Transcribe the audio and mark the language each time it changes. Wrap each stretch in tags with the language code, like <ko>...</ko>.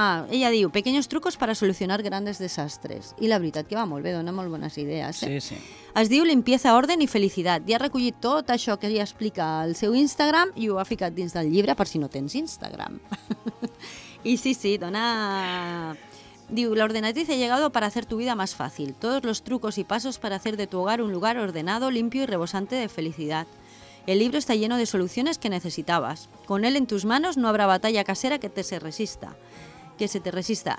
<es>Ella diu, pequeños trucos para solucionar grandes desastres.</es> <ca>I la veritat que va molt bé, dona molt bones idees. Sí, sí. Es diu Limpieza, Orden y Felicidad. I ha recollit tot això que ella explica al seu Instagram i ho ha ficat dins del llibre, per si no tens Instagram. I sí, sí, dona...</ca> <es>Diu, la ordenatriz ha llegado para hacer tu vida más fácil. Todos los trucos y pasos para hacer de tu hogar un lugar ordenado, limpio y rebosante de felicidad. El libro está lleno de soluciones que necesitabas. Con él en tus manos no habrá batalla casera que se te resista.</es>